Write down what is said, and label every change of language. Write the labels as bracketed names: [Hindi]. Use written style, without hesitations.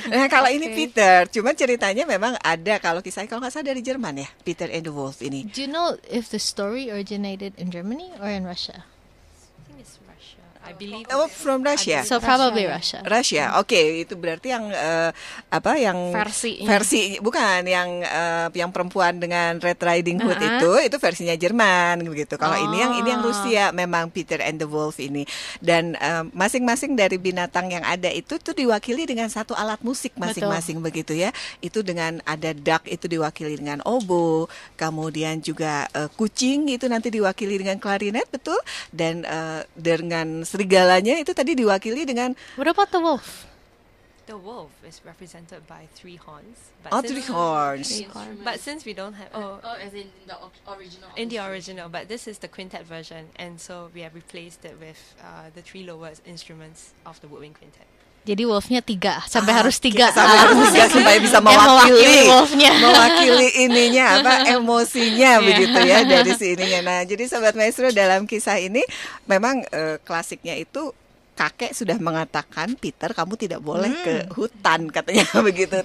[Indonesian] Nah, kalau ini Peter, cuman ceritanya memang ada kalau kisahnya kalau nggak salah dari Jerman ya, Peter and the Wolf ini. [English] Do you know if the story originated in Germany or in Russia? I believe from Russia. So probably Russia. Russia. [Indonesian] Okay, itu berarti yang yang versi bukan yang perempuan dengan Red Riding Hood itu versinya Jerman begitu. Kalau ini yang Rusia memang Peter and the Wolf ini. Dan masing-masing dari binatang yang ada itu tuh diwakili dengan satu alat musik masing-masing. Betul. Begitu ya. Itu dengan ada duck itu diwakili dengan oboe, kemudian juga kucing itu nanti diwakili dengan clarinet, betul? Dan dengan serigalanya itu tadi diwakili dengan. [English] What about the wolf? The wolf is represented by three horns. Three horns. But since we don't have as in the original. In the original, but this is the quintet version, and so we have replaced it with the three lower instruments of the woodwind quintet. [Indonesian] Jadi wolfnya tiga, sampai harus tiga. Sampai harus tiga supaya bisa mewakili wolfnya. Mewakili ininya, apa emosinya begitu ya dari si ininya. Nah, jadi Sobat Maestro, dalam kisah ini memang klasiknya itu kakek sudah mengatakan, Peter kamu tidak boleh ke hutan katanya begitu.